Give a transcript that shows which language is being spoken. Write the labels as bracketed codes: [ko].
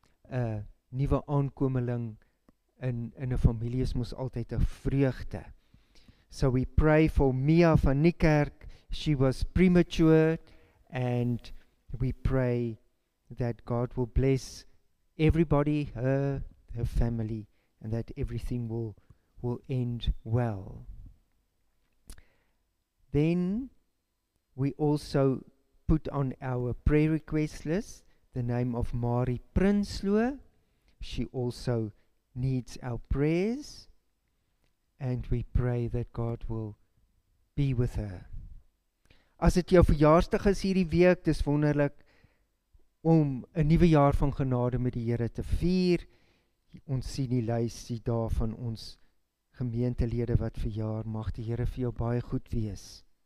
[af] 'N nuwe aankomeling in 'n familie is mos altyd 'n vreugde. [en] So we pray for Mia van Niekerk. She was premature. And we pray that God will bless everybody, her family, and that everything will end well. Then we also put on our prayer request list the name of Mari Prinsloo. She also needs our prayers. And we pray that God will be with her. [af] As dit jou verjaarsdag is hierdie week, dis wonderlik om 'n nuwe jaar van genade met die Here te vier. Ons sien die lysie daar van ons gemeentelede wat verjaar. Mag die Here vir jou baie goed wees.